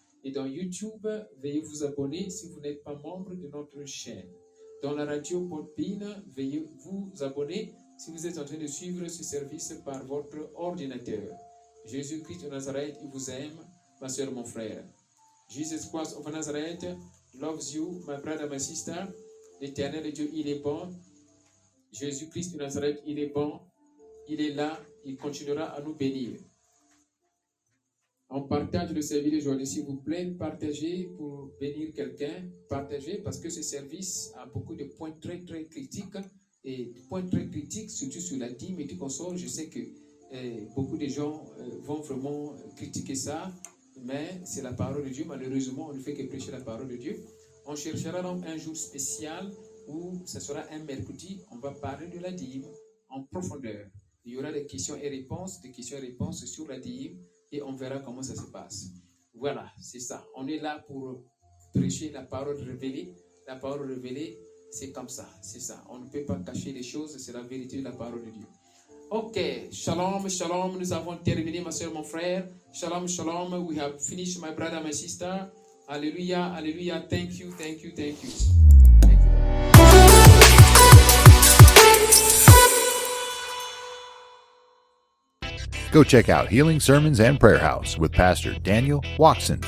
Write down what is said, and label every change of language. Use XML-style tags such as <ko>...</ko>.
<fr>Et dans YouTube, veuillez vous abonner si vous n'êtes pas membre de notre chaîne. Dans la radio Podbean, veuillez vous abonner si vous êtes en train de suivre ce service par votre ordinateur. Jésus-Christ de Nazareth, il vous aime. Ma soeur, mon frère.</fr> <en>Jesus Christ of Nazareth loves you, my brother, my sister.</en> <fr>L'Éternel Dieu, il est bon. Jésus-Christ de Nazareth, il est bon. Il est là, il continuera à nous bénir. On partage le service d'aujourd'hui, s'il vous plaît. Partagez pour bénir quelqu'un. Partagez parce que ce service a beaucoup de points très, très critiques. Et des points très critiques, surtout sur la dîme et du consort. Je sais que beaucoup de gens vont vraiment critiquer ça. Mais c'est la parole de Dieu. Malheureusement, on ne fait que prêcher la parole de Dieu. On cherchera donc un jour spécial où ce sera un mercredi. On va parler de la dîme. en profondeur. Il y aura des questions et réponses sur la dîme et on verra comment ça se passe. Voilà, c'est ça. On est là pour prêcher la parole révélée. La parole révélée, c'est comme ça, c'est ça. On ne peut pas cacher les choses, c'est la vérité de la parole de Dieu. Ok, shalom, shalom, nous avons terminé, ma soeur, mon frère.</fr> <en>Shalom, shalom, we have finished, my brother, my sister. Alléluia, alléluia, thank you, thank you, thank you. Go check out Healing Sermons and Prayer House with Pastor Daniel Watson.</en>